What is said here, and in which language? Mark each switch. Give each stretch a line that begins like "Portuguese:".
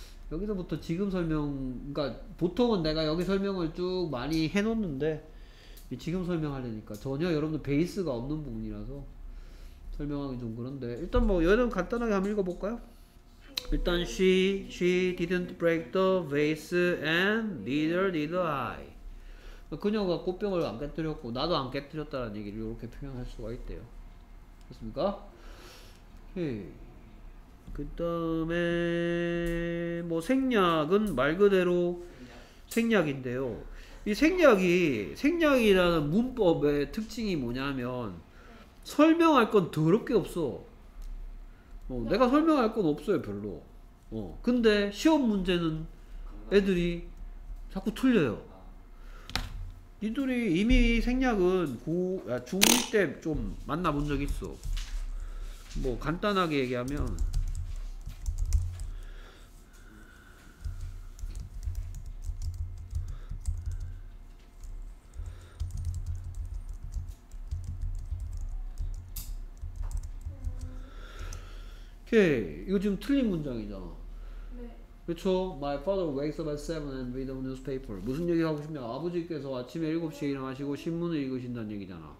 Korean: 여기서부터 지금 설명, 그러니까 보통은 내가 여기 설명을 쭉 많이 해놓는데 지금 설명하려니까 전혀 여러분들 베이스가 없는 부분이라서 설명하기 좀 그런데, 일단 뭐 얘는 간단하게 한번 읽어볼까요? 일단
English: she didn't break the vase and neither did I.
Korean: 그녀가 꽃병을 안 깨뜨렸고 나도 안 깨뜨렸다는 얘기를 이렇게 표현할 수가 있대요. 됐습니까? 오케이. 그 다음에 뭐 생략은 말 그대로 생략인데요. 이 생략이라는 문법의 특징이 뭐냐면 설명할 건 더럽게 없어. 내가 설명할 건 없어요 별로. 근데 시험 문제는 애들이 자꾸 틀려요. 니들이 이미 생략은 중2 때 좀 만나본 적 있어. 뭐 간단하게 얘기하면 오케이. 이거 지금 틀린 문장이잖아. 네. 그쵸?
English: My father wakes up at 7 and reads the newspaper.
Korean: 무슨 얘기 하고 싶냐? 아버지께서 아침에 7시에 일어나시고 신문을 읽으신다는 얘기잖아.